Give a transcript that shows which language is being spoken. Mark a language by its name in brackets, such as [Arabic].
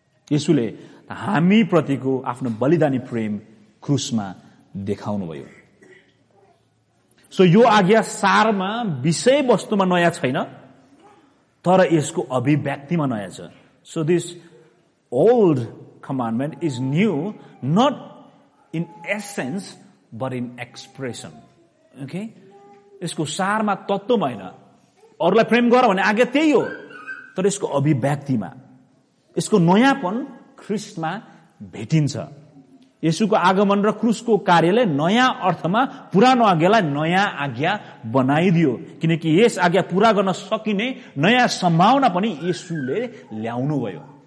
[Nepali] यीशुले हामी प्रतिको आफ्नो बलिदानी प्रेम क्रुसमा देखाउनुभयो। सो यो आज्ञा सारमा, विषयवस्तुमा नयाँ छैन, तर यसको अभिव्यक्तिमा नयाँ छ। [English] So this old commandment is new not in essence but in expression. [Nepali] Okay, यसको सारमा तत्त्वमा होइन, अरूलाई प्रेम गर भने आज्ञा त्यही हो, तर यसको अभिव्यक्तिमा, यसको नयाँपन ख्रिस्टमा भेटिन्छ। येशूको आगमन र क्रुसको कार्यले नयाँ अर्थमा पुरानो आज्ञालाई नयाँ आज्ञा बनाइदियो, किनकि यस आज्ञा पुरा गर्न सकिने नयाँ सम्भावना पनि येशूले ल्याउनुभयो।